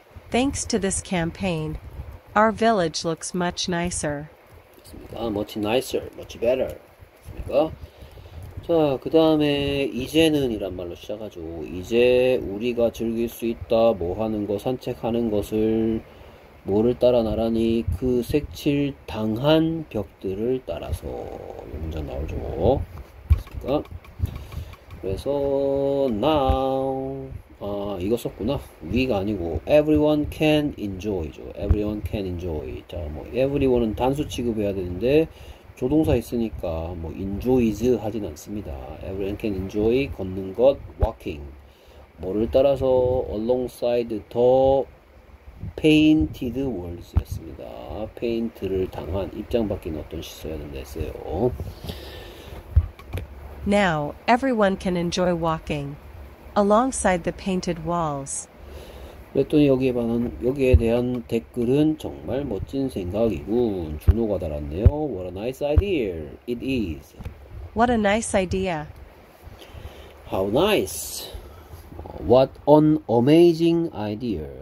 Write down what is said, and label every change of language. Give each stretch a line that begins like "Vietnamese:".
English: Thanks to this campaign, our village looks much nicer.
Korean: 됐습니까?
English: Much nicer, much better.
Korean: 됐습니까? 자, 그 다음에 이제는 이란 말로 시작하죠. 이제 우리가 즐길 수 있다, 뭐 하는 거, 산책하는 것을 뭐를 따라 나란히 그 색칠 당한 벽들을 따라서 이 문장 나오죠. 됐습니까? 그래서 now 아 이거 썼구나. we가 아니고
English: everyone can enjoy
Korean: 죠. everyone can enjoy. 자뭐 everyone은 단수 취급해야 되는데 조동사 있으니까 뭐 enjoys 하진 않습니다.
English: everyone can enjoy
Korean: 걷는 것 walking 뭐를 따라서
English: alongside the painted walls
Korean: 였습니다. 페인트를 당한 입장 바뀐 어떤 시 써야 된다 했어요.
English: Now, everyone can enjoy walking alongside the painted walls.
Korean: 그랬더니 여기에 대한 댓글은 정말 멋진 생각이군. 준호가 달았네요.
English: What a nice idea it is. What a nice idea. How nice. What an amazing idea.